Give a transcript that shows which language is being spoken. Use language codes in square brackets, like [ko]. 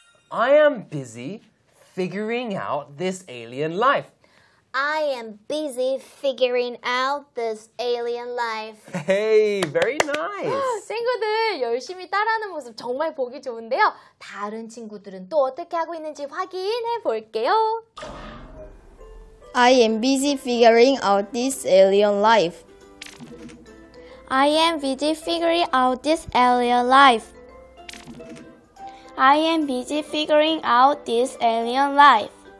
[en] I am busy figuring out this alien life. I am busy figuring out this alien life. Hey, very nice. [ko] 친구들 열심히 따라하는 모습 정말 보기 좋은데요. 다른 친구들은 또 어떻게 하고 있는지 확인해 볼게요. [en] I am busy figuring out this alien life. I am busy figuring out this alien life. I am busy figuring out this alien life.